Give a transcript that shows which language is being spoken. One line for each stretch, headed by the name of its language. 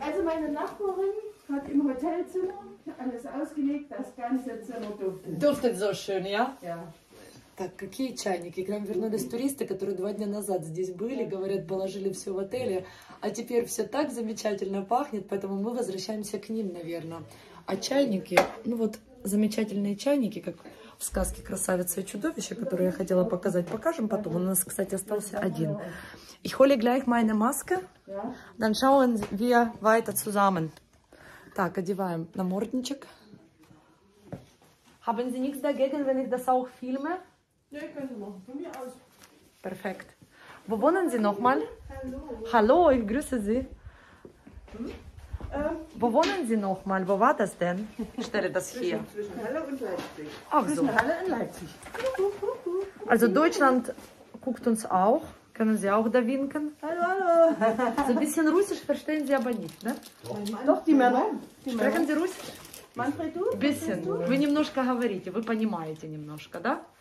German: Also meine Nachbarin hat im Hotelzimmer alles ausgelegt, das ganze Zimmer duftet. Duftet so schön, ja? Ja.
Russian: Так, какие чайники? К нам вернулись туристы, которые 2 дня назад здесь были, говорят, положили все в отеле, а теперь все так замечательно пахнет, поэтому мы возвращаемся к ним, наверное. А чайники, ну вот, замечательные чайники, как в сказке «Красавица и чудовище», которую я хотела показать, покажем потом. У нас, кстати, остался один.
German: Ich hole gleich meine Maske, dann schauen wir weiter zusammen.
Russian: Так, одеваем намордничек.
German: Haben Sie nichts dagegen, wenn ich das auch filme? Ja, ich kann es machen. Von mir aus. Perfekt. Wo wohnen Sie nochmal? Hallo. Hallo, ich grüße Sie. Wo wohnen Sie nochmal? Wo war das denn? Ich stelle das hier. Zwischen Halle und Leipzig. Ach so. Zwischen Halle und Leipzig. Also Deutschland guckt uns auch. Können Sie auch da winken? Hallo, hallo. So ein bisschen Russisch verstehen Sie aber nicht, ne? Doch, die Männer. Sprechen Sie Russisch? Manfred, du? Bisschen.
Russian: Вы немножко говорите, вы понимаете немножко, да?